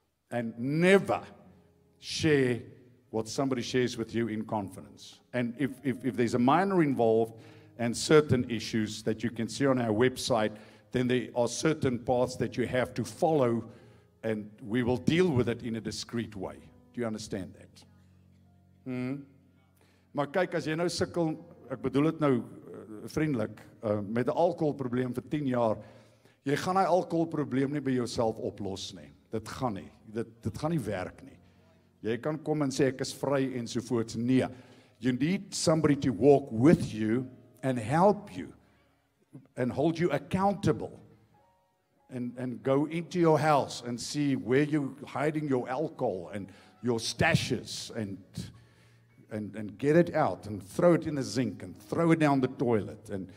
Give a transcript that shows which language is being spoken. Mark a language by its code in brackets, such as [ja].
[en] And never share what somebody shares with you in confidence. And if there's a minor involved and certain issues that you can see on our website, then there are certain paths that you have to follow. And we will deal with it in a discreet way. Do you understand that? [af] Maar kijk, as jy nou sukkel, ek bedoel het nou vriendelik, met die alcoholprobleem vir 10 jaar, jy gaan die alcoholprobleem nie by jouself oplos nie. Dit gaan nie. Dit gaan nie werk nie. Jy kan kom en sê, ek is vry en sovoorts. [en] Nee, you need somebody to walk with you and help you and hold you accountable. And go into your house and see where you're hiding your alcohol and your stashes and get it out and throw it in the sink and throw it down the toilet.